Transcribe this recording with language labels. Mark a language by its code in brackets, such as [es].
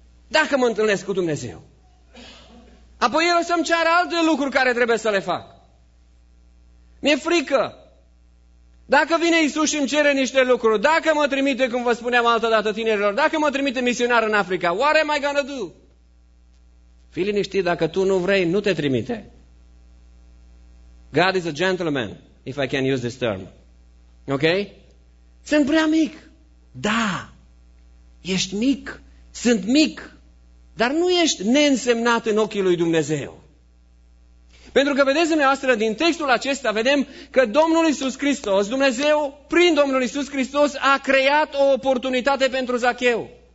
[ro] dacă mă întâlnesc cu Dumnezeu. Apoi El o să-mi ceară alte lucruri care trebuie să le fac. Mi-e frică. Dacă vine Iisus și îmi cere niște lucruri, dacă mă trimite, cum vă spuneam altă dată tinerilor, dacă mă trimite misionar în Africa, [en] what am I gonna do? [ro] Fii liniștit, dacă tu nu vrei, nu te trimite. [en] God is a gentleman, if I can use this term. [ro] Ok? Sunt prea mic. Da, ești mic, sunt mic, dar nu ești neînsemnat în ochii lui Dumnezeu. Pentru că vedeți dumneavoastră, din textul acesta vedem că Domnul Iisus Hristos, Dumnezeu, prin Domnul Iisus Hristos, a creat o oportunitate pentru Zacheu.